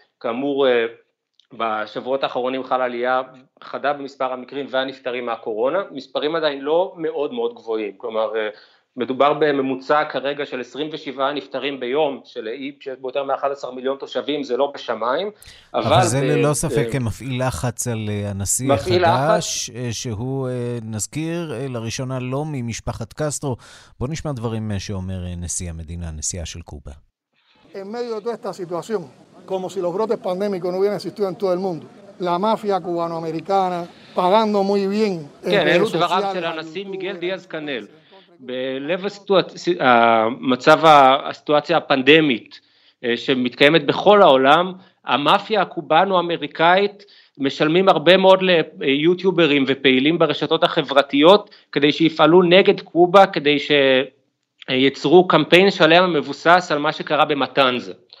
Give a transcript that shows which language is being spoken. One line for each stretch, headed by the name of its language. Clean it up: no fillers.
Hebrew: כאמור, בשבועות האחרונים חל עלייה חדה במספר המקרים והנפטרים מהקורונה, מספרים עדיין לא מאוד מאוד גבוהים, כלומר, מדובר בממוצע כרגע של 27 נפטרים ביום, של אי שיש ביותר מ-11 מיליון תושבים, זה לא בשמיים. אבל זה ללא ספק מפעיל לחץ על הנשיא החדש, שהוא נזכיר לראשונה לא ממשפחת קסטרו. בוא נשמע דברים שאומר נשיא המדינה, נשיאה של קובה.
Spanish: En medio de esta situación, como si los brotes pandémicos no hubieran existido en todo el mundo, la mafia cubano-americana pagando muy bien.
Hebrew: כן, אלו דבריו של הנשיא מיגל דיאז קנל. בלב המצב, הסיטואציה הפנדמית שמתקיימת בכל העולם, המאפיה הקובאנו-אמריקאית משלמים הרבה מאוד ליוטיוברים ופעילים ברשתות החברתיות כדי שיפעלו נגד קובה, כדי שיצרו קמפיין שלם מבוסס על מה שקרה במתנזה.